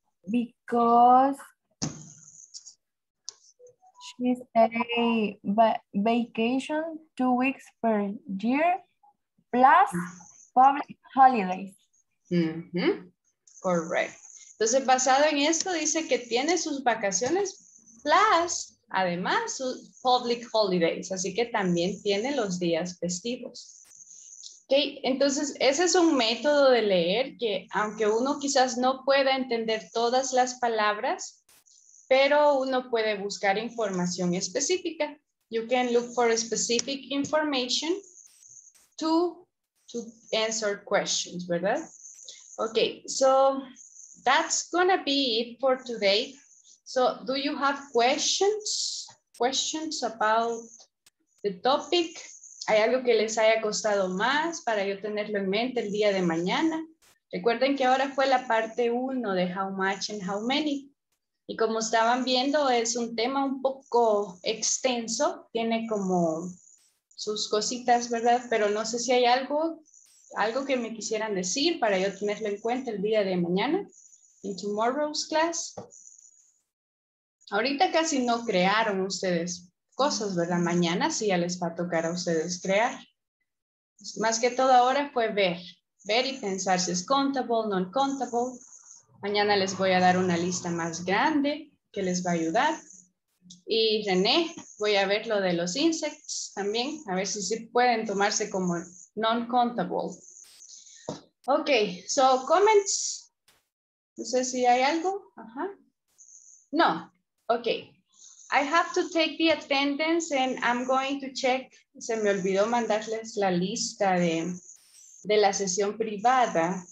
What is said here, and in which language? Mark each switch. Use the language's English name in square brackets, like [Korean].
[English] Because she stay vacation 2 weeks per year plus public holidays. Mm-hmm. Correct. [Spanish] Entonces, basado en esto, dice que tiene sus vacaciones plus, además, sus public holidays. Así que también tiene los días festivos. Okay. Entonces, ese es un método de leer que, aunque uno quizás no pueda entender todas las palabras, pero uno puede buscar información específica. [English] You can look for specific information to answer questions, ¿verdad? Okay, so that's gonna be it for today. So do you have questions about the topic? [Spanish] ¿Hay algo que les haya costado más para yo tenerlo en mente el día de mañana? Recuerden que ahora fue la parte uno de [English] how much and how many. [Spanish] Y como estaban viendo, es un tema un poco extenso. Tiene como sus cositas, ¿verdad? Pero no sé si hay algo que me quisieran decir para yo tenerlo en cuenta el día de mañana. [English] In tomorrow's class. [Spanish] Ahorita casi no crearon ustedes cosas, ¿verdad? Mañana sí ya les va a tocar a ustedes crear. Más que todo ahora fue ver y pensar si es countable, non-countable. Mañana les voy a dar una lista más grande que les va a ayudar. Y René, voy a ver lo de los insects también, a ver si sí pueden tomarse como non-countable. [English] Ok, so comments. [Spanish] No sé si hay algo. Ajá. No. Ok. [English] I have to take the attendance and I'm going to check. [Spanish] Se me olvidó mandarles la lista de la sesión privada.